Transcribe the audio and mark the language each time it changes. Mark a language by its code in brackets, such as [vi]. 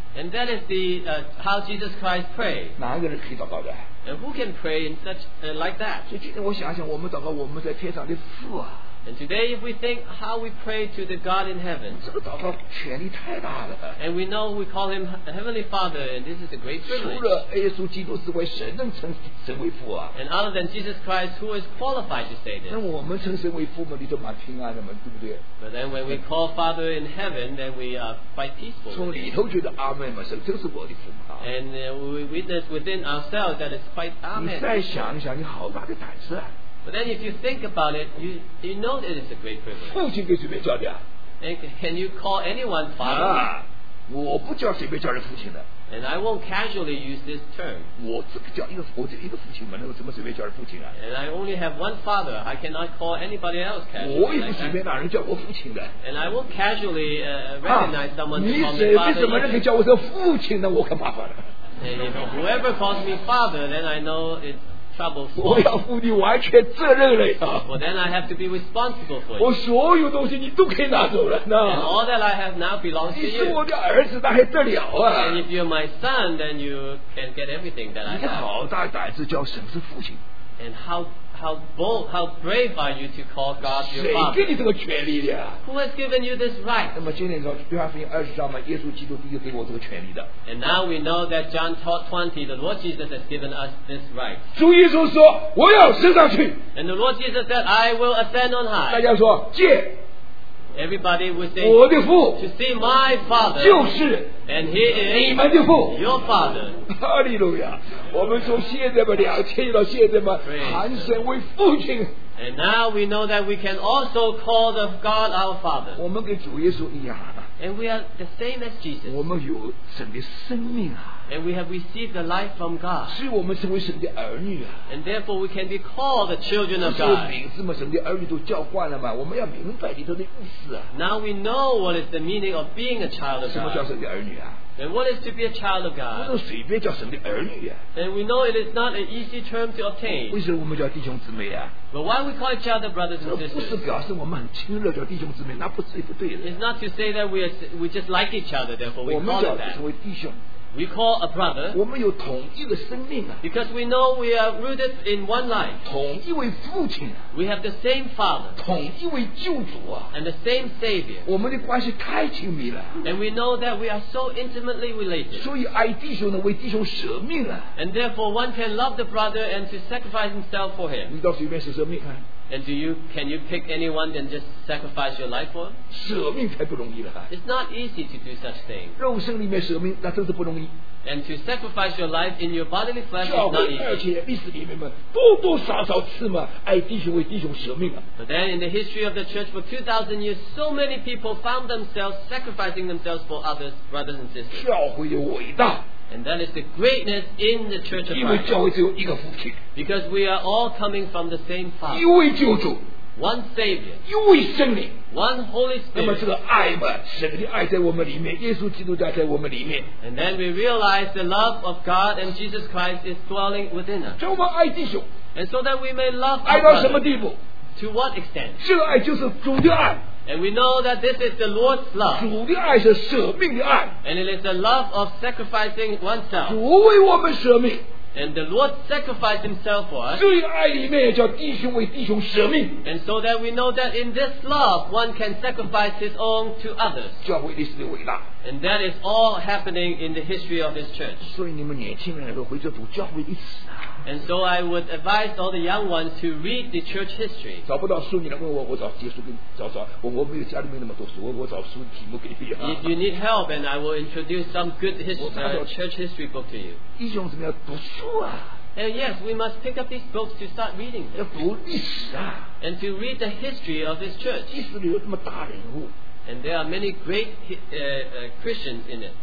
[en] And that is the how Jesus Christ prayed. [zh] 哪一个人可以祷告的？ [en] And who can pray in such like that? [zh] 所以今天我想想，我们祷告我们在天上的父啊。 [en] And today, if we think how we pray to the God in heaven, [zh] 这个祷告权力太大了。 [en] And we know we call him Heavenly Father, and this is a great privilege. [zh] 除了耶稣基督之外，谁能称神为父啊？ [en] And other than Jesus Christ, who is qualified to say this? [zh] 那我们称神为父嘛，你就蛮平安的嘛，对不对？ [en] But then when we call Father in heaven, then we are quite peaceful. [zh] 从里头觉得阿门嘛，神就是我的父嘛。 [en] And we witness within ourselves that it's quite amen. [zh] 你再想一想，你好大的胆子啊！ [en] But then if you think about it, you know that it's a great privilege. [zh] 父亲叫的啊? [en] And can you call anyone father? [zh] 啊, 我不叫谁被叫人父亲的。 [en] And I won't casually use this term. [zh] 我只叫一个, 我只一个父亲嘛, 那我怎么随便叫人父亲啊? [en] And I only have one father. I cannot call anybody else casually. [zh] 我也不随便哪人叫我父亲的。 [en] And I won't casually recognize someone to call me father. [zh] 你随便什么人叫我是父亲呢? 我可麻烦了。 [en] And you know, whoever calls me father, then I know it's... [zh] 我要负你完全责任了呀。 [en] Well, then I have to be responsible for you. [zh] 我所有东西你都可以拿走了呢。 [en] And all that I have now belongs to you. [zh] 你是我的儿子，那还得了啊。 [en] And if you're my son, then you can get everything that I have. [zh] 你好大胆子叫神是父亲。 [en] And how bold, how brave are you to call God your father? [zh] 谁给你这个权利的啊？ [en] Who has given you this right? [zh] 那么今天说约翰福音二十章嘛，耶稣基督第一个给我这个权利的。 [en] And now we know that John 20, the Lord Jesus has given us this right. [zh] 主耶稣说我要升上去。 [en] And the Lord Jesus said, I will ascend on high. [zh] 大家说见。 [en] Everybody would say, [zh] 我的父。 [en] To see my father. [zh] 就是。 [en] And he is [zh] 你们的父。 [en] Your father. [zh] 哈利路亚！我们从现在嘛两千到现在嘛，喊神为父亲。 [en] And now we know that we can also call the God our Father. [zh] 我们跟主耶稣一样。 [en] And we are the same as Jesus. [zh] 我们有神的生命啊。 [en] And we have received the life from God. [zh] 所以我们成为神的儿女啊。 [en] And therefore we can be called the children of God. [zh] 这名字嘛，神的儿女都叫惯了嘛，我们要明白里头的意思啊。 [en] Now we know what is the meaning of being a child of God. [zh] 什么叫神的儿女啊？ [en] And what is to be a child of God? [zh] 不能随便叫神的儿女啊。 [en] And we know it is not an easy term to obtain. [zh] 为什么我们叫弟兄姊妹啊？ [en] But why we call each other brothers and sisters? [zh] 不是表示我们很亲热叫弟兄姊妹，那不是不对的。 [en] It's not to say that we just like each other, therefore we call it that. [zh] 我们叫弟兄。 [en] We call a brother. [zh] 我们有同一个生命啊。 [en] Because we know we are rooted in one life. [zh] 同一位父亲啊。 [en] We have the same father. [zh] 同一位救主啊。 [en] And the same savior. [zh] 我们的关系太亲密了。 [en] And we know that we are so intimately related. [zh] 所以爱弟兄呢，为弟兄舍命啊。 [en] And therefore one can love the brother and to sacrifice himself for him. [zh] 你到随便舍舍命看。 [en] And can you pick anyone and just sacrifice your life for? [zh] 舍命才不容易了。 [en] It's not easy to do such thing. [zh] 肉身里面舍命，那真是不容易。 [en] And to sacrifice your life in your bodily flesh is not easy. [zh] 而且历史里面嘛，多多少少次嘛，爱弟兄为弟兄舍命啊。 [en] But then in the history of the church for 2,000 years, so many people found themselves sacrificing themselves for others, brothers and sisters. [zh] 教会的伟大。 [en] And that is the greatness in the church of Christ. [zh] 因为教会只有一个父亲。 [en] Because we are all coming from the same Father. [zh] 一位救主。 [en] One Savior. [zh] 一位圣灵。 [en] One Holy Spirit. [zh] 那么这个爱嘛，神的爱在我们里面，耶稣基督在我们里面。 [en] And then we realize the love of God and Jesus Christ is dwelling within us. [zh] 叫我们爱弟兄。 [en] And so that we may love our brother. [zh] 爱到什么地步？ [en] To what extent? [zh] 这个爱就是主的爱。 [en] And we know that this is the Lord's love. [zh] 主的爱是舍命的爱。 [en] And it is the love of sacrificing oneself. [zh] 主为我们舍命。 [en] And the Lord sacrificed himself for us. [zh] 这个爱里面叫弟兄为弟兄舍命。 [en] And so that we know that in this love, one can sacrifice his own to others. [zh] 教会历史的伟大。 [en] And that is all happening in the history of this church. [zh] 所以你们年轻人都回去读教会历史啊。 [en] And so I would advise all the young ones to read the church history. [zh] 找不到书，你来问我，我找借书给你找找。我没有家里没那么多书，我找书题目给你。 [en] If you need help, and I will introduce some good church history book to you. [zh] 弟兄们要读书啊。 [en] And yes, we must pick up these books to start reading. [zh] 要读历史啊。 [en] And to read the history of this church. [zh] 历史里有这么大人物。 [en] And there are many great Christians in it.